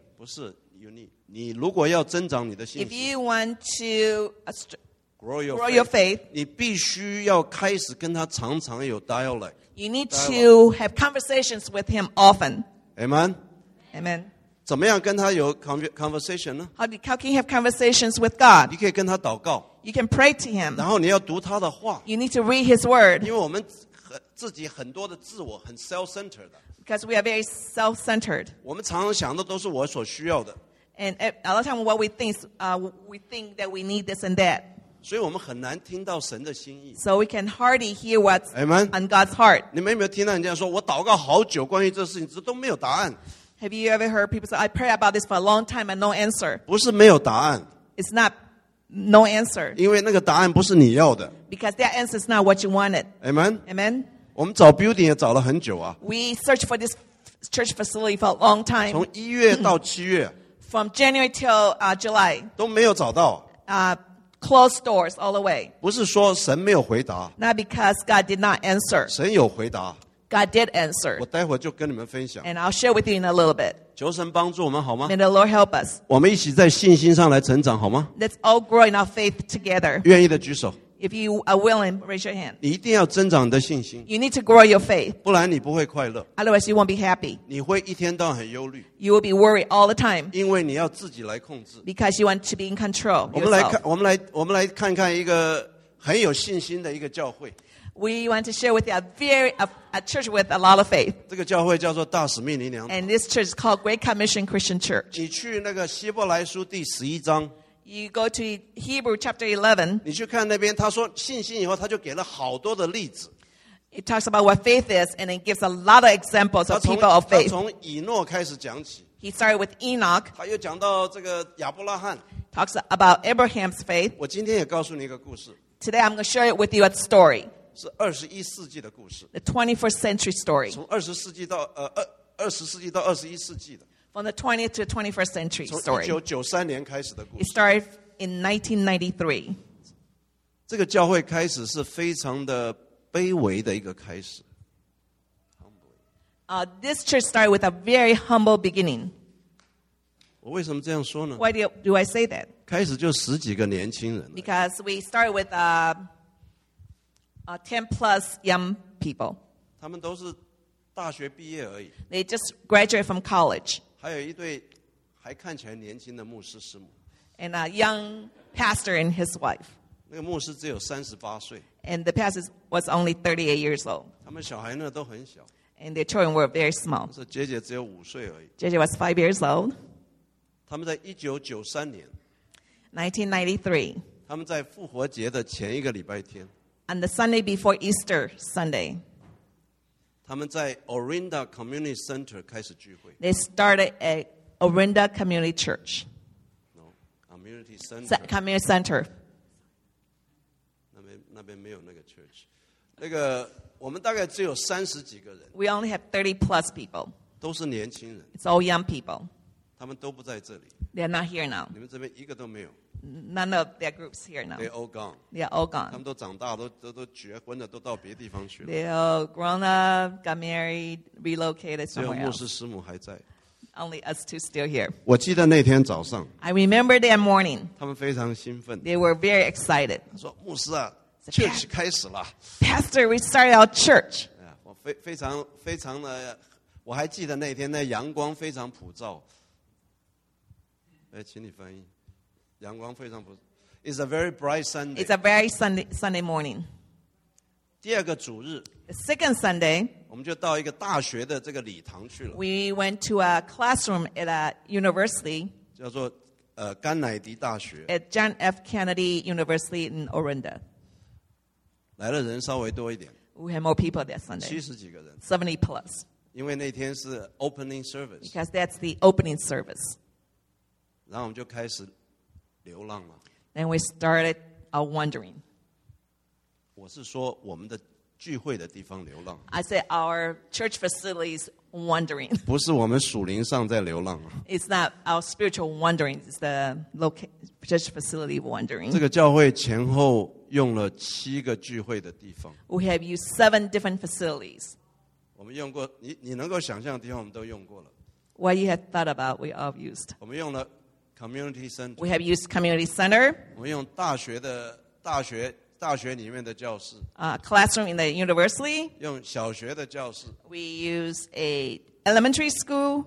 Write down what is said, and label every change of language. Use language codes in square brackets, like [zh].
[zh] 不是 [en] you need, [zh] 你如果要增长你的信心 [en] If you want to grow your faith, [zh] you 必须要开始跟他常常有 dialogue. [en] You need to have conversations with him often. Amen? Amen? [zh] 怎么样跟他有 conversation 呢 [en] how can you have conversations with God? [zh] 你可以跟他祷告。 [en] You can pray to him. [zh] 然后你要读他的话。 [en] You need to read his word. [zh] 因为我们自己很多的自我很 self-centered. [en] Because we are very self-centered. [zh] 我们常常想的都是我所需要的。 [en] And a lot of times what we think is, we think that we need this and that. [zh] 所以我们很难听到神的心意。 [en] So we can hardly hear what's、 Amen? On God's heart. [zh] 你们有没有听到人家说我祷告好久关于这事情这都没有答案。 [en] Have you ever heard people say, I pray about this for a long time and no answer? [zh] 不是没有答案。 [en] It's not no answer. [zh] 因为那个答案不是你要的。 [en] Because that answer is not what you wanted. Amen? Amen? [zh] 我们找 building 也找了很久啊。 [en] We searched for this church facility for a long time. [zh] 从一月到七月。 [en] From January till July. [zh] 都没有找到。 [en] Closed doors all the way. [zh] 不是说神没有回答。 [en] Not because God did not answer. [zh] 神有回答。 [en] God did answer. [zh] 我待会就跟你们分享。 [en] And I'll share with you in a little bit. [zh] 求神帮助我们好吗？ [en] May the Lord help us. [zh] 我们一起在信心上来成长好吗？ [en] Let's all grow in our faith together. [zh] 愿意的举手。 [en] If you are willing, raise your hand. [zh] 你一定要增长你的信心。 [en] You need to grow your faith. [zh] 不然你不会快乐。 [en] Otherwise, you won't be happy. [zh] 你会一天到晚很忧虑。 [en] You will be worried all the time. [zh] 因为你要自己来控制。 [en] Because you want to be in control. [zh] 我们来看看一个很有信心的一个教会。 [en] We want to share with you a church with a lot of faith. [zh] 这个教会叫做大使命灵粮堂。 [en] And this church is called Great Commission Christian Church. [zh] 你去那个希伯来书第十一章。 [en] You go to Hebrew chapter 11. [zh] 你去看那边，他说信心以后，他就给了好多的例子。 [en] It talks about what faith is, and it gives a lot of examples of people of faith. [zh] 他从以诺开始讲起。 [en] He started with Enoch. [zh] 他又讲到这个亚伯拉罕。 [en] Talks about Abraham's faith. [zh] 我今天也告诉你一个故事。 [en] Today I'm going to share it with you a story. [zh] 是二十一世纪的故事。 [en] The 21st century story. [zh] 从二十世纪到二十世纪到二十一世纪的。 [en] From the 20th to the 21st century story. [zh] 从一九九三年开始的故事。 [en] It started in 1993. [zh] 这个教会开始是非常的卑微的一个开始。 [en] This church started with a very humble beginning. [zh] 我为什么这样说呢 [en] ？Why do I say that? [zh] 开始就十几个年轻人。 [en] Because we started with a ten plus young people. [zh] 他们都是大学毕业而已。 [en] They just graduated from college. [zh] 还有一对还看起来年轻的牧师师母。 [en] And a young pastor and his wife. [zh] 那个牧师只有三十八岁。 [en] And the pastor was only 38 years old. [zh] 他们小孩呢都很小。 [en] And their children were very small. [zh] 是姐姐只有五岁而已。 [en] 姐姐 was 5 years old. [zh] 他们在1993年。 [en] 1993. [zh] 他们在复活节的前一个礼拜天。 [en] On the Sunday before Easter Sunday, [zh] 在 Orinda Community Center 开始聚会。 [en] They started at Orinda Community Church. No, Community Center. Community Center. [zh] 那边没有那个 church. 那个我们大概只有三十几个人。 [en] We only have 30 plus people. [zh] 都是年轻人。 [en] It's all young people. [zh] 他们都不在这里。 [en] They're not here now. [zh] 你们这边一个都没有。 [en] None of their groups here now. They're all gone. They're all gone. [zh] 他们都长大，都结婚了，都到别地方去了。 [en] They all grown up, got married, relocated somewhere else. [zh] 只有牧师师母还在。 [en] Only us two still here. [zh] 我记得那天早上。 [en] I remember that morning. [zh] 他们非常兴奋。 [en] They were very excited. [zh] 他说：“牧师啊，church 开始了。 [en] ”Pastor, we started our church. [zh] 我非常的，我还记得那天那阳光非常普照。请你翻译。阳光非常不， [en] It's a very bright Sunday. It's a very Sunday morning. [zh] 第二个主日 [en] The second Sunday, [zh] 我们就到一个大学的这个礼堂去了。 [en] We went to a classroom at a university. [zh] 叫做甘乃迪大学。 [en] At John F. Kennedy University in Orinda. [zh] 来的人稍微多一点。 [en] We had more people that Sunday. [zh] 七十几个人。 [en] 70 plus. [zh] 因为那天是 [en] opening service. Because that's the opening service. [zh] 然后我们就开始。 [en] Then we started our wandering. [zh] 我是说我们的聚会的地方流浪。 [en] I said our church facilities wandering. [zh] 不是我们属灵上在流浪。 [en] It's not our spiritual wandering. It's the church facility wandering. [zh] 这个教会前后用了七个聚会的地方。 [en] We have used seven different facilities. [zh] 我们用过，你能够想象的地方我们都用过了。 [en] What you have thought about, we all used. [zh] 我们用了。Community center. [en] We have used community center. [zh] 我们用大学里面的教室。 [en] Classroom in the university. [zh] 用小学的教室。 [en] We use a elementary school.